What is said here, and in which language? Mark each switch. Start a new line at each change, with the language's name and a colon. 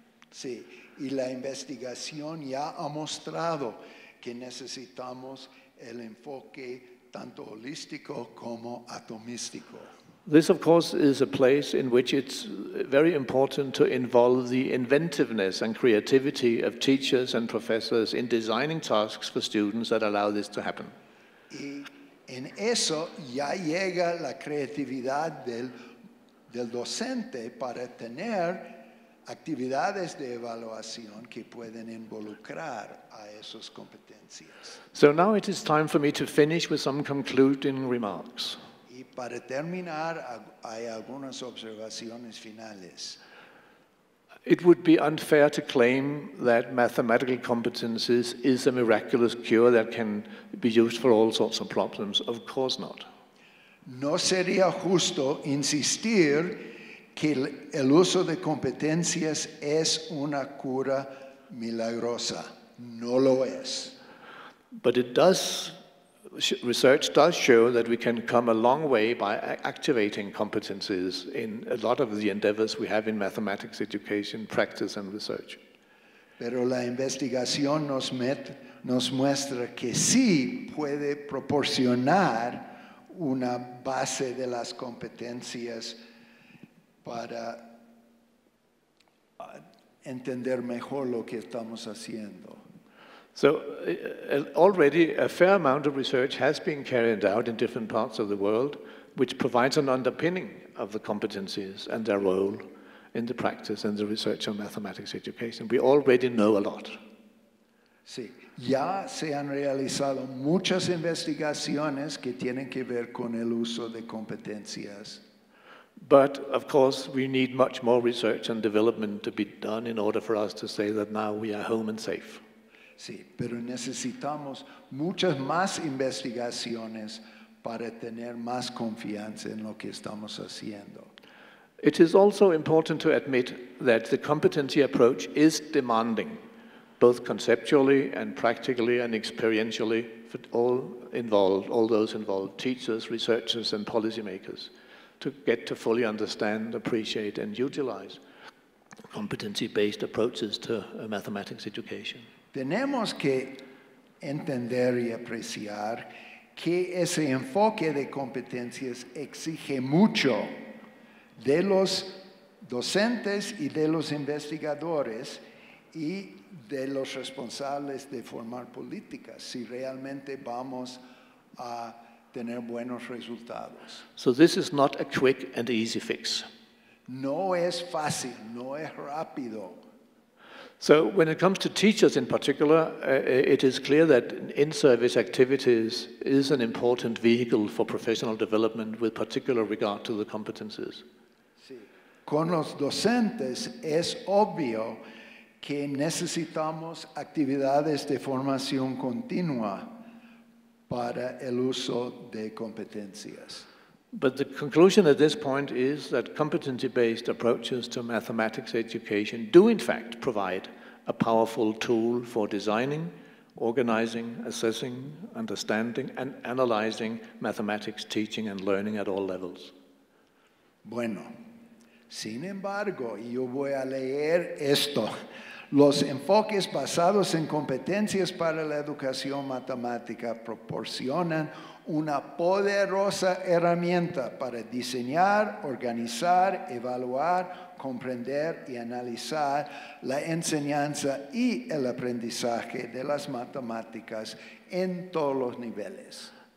Spanish: Sí, y la investigación ya ha mostrado que necesitamos el enfoque tanto holístico como atomístico.
English: This, of course, is a place in which it's very important to involve the inventiveness and creativity of teachers and professors in designing tasks for students that allow this to happen.
Spanish: Y en eso ya llega la creatividad del docente para tener actividades de evaluación que pueden involucrar a esas competencias.
English: So now it is time for me to finish with some concluding remarks.
Spanish: Y para terminar, hay algunas observaciones finales.
English: It would be unfair to claim that mathematical competencies is a miraculous cure that can be used for all sorts of problems. Of course not.
Spanish: No sería justo insistir que el uso de competencias es una cura milagrosa. No lo es.
English: But it does, research does show that we can come a long way by activating competencies in a lot of the endeavors we have in mathematics education, practice and research.
Spanish: Pero la investigación nos muestra que sí puede proporcionar una base de las competencias para entender mejor lo que estamos haciendo.
English: So, already a fair amount of research has been carried out in different parts of the world, which provides an underpinning of the competencies and their role in the practice and the research on mathematics education. We already know a lot.
Spanish: Sí, ya se han realizado muchas investigaciones que tienen que ver con el uso de competencias.
English: But, of course, we need much more research and development to be done in order for us to say that now we are home and safe.
Spanish: Sí, pero necesitamos muchas más investigaciones para tener más confianza en lo que estamos haciendo.
English: It is also important to admit that the competency approach is demanding, both conceptually and practically and experientially, for all involved, all those involved, teachers, researchers, and policymakers, to get to fully understand, appreciate, and utilize competency-based approaches to mathematics education.
Spanish: Tenemos que entender y apreciar que ese enfoque de competencias exige mucho de los docentes y de los investigadores y de los responsables de formar políticas, si realmente vamos a tener buenos resultados.
English: So this is not a quick and easy fix.
Spanish: No es fácil, no es rápido.
English: So when it comes to teachers in particular, it is clear that in-service activities is an important vehicle for professional development with particular regard to the competencies.
Spanish: Con los docentes es obvio que necesitamos actividades de formación continua para el uso de competencias.
English: But the conclusion at this point is that competency-based approaches to mathematics education do in fact provide a powerful tool for designing, organizing, assessing, understanding, and analyzing mathematics teaching and learning at all levels.
Spanish: Bueno. Sin embargo, y yo voy a leer esto, los enfoques basados en competencias para la educación matemática proporcionan una poderosa herramienta para diseñar, organizar, evaluar, comprender y analizar la enseñanza y el aprendizaje de las matemáticas en todos los niveles.